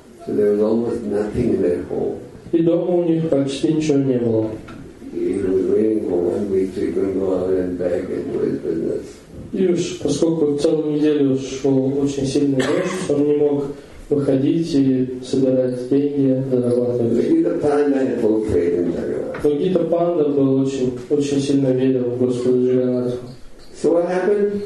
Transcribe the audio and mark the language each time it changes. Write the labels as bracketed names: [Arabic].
[English] So there was almost nothing in their home. [Russian] И дома у них почти ничего не было. [English] He was waiting for 1 week to go out and back and do his business. [Russian] И уж поскольку целую неделю шел очень сильный дождь, он не мог выходить и собирать деньги, зарабатывать. Но Гита Панда был очень сильно верил в Господа Джаганатху.